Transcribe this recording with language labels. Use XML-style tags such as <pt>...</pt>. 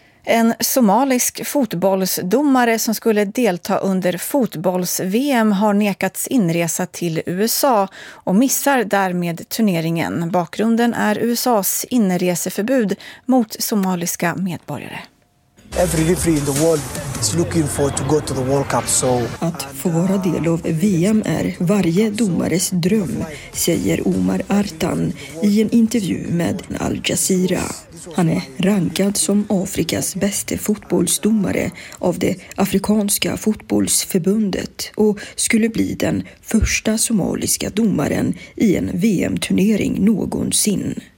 <sv>En somalisk fotbollsdomare som skulle delta under fotbolls-VM har nekats inresa till USA och missar därmed turneringen. Bakgrunden är USA:s inreseförbud mot somaliska medborgare.</sv> <en>Every referee in the world is looking for to go to the World Cup, so</en> <sv>att få vara del av VM är varje domares dröm, säger Omar Artan i en intervju med Al Jazeera. Han är rankad som Afrikas bästa fotbollsdomare av det afrikanska fotbollsförbundet och skulle bli den första somaliska domaren i en VM-turnering någonsin.</sv>